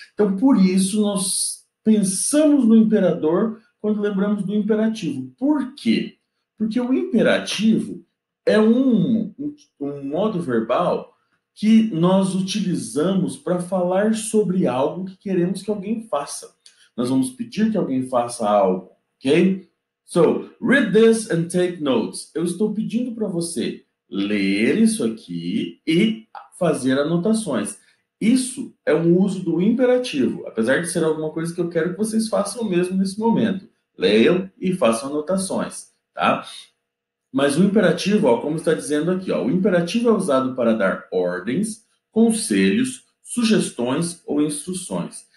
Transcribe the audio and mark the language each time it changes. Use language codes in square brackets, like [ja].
[pt] Então, por isso, nós pensamos no imperador quando lembramos do imperativo. Por quê? Porque o imperativo é um modo verbal que nós utilizamos para falar sobre algo que queremos que alguém faça. Nós vamos pedir que alguém faça algo, ok? [en] So, read this and take notes. [pt] Eu estou pedindo para você ler isso aqui e fazer anotações. Isso é um uso do imperativo, apesar de ser alguma coisa que eu quero que vocês façam mesmo nesse momento. Leiam e façam anotações, tá? Mas o imperativo, ó, como está dizendo aqui, ó, o imperativo é usado para dar ordens, conselhos, sugestões ou instruções.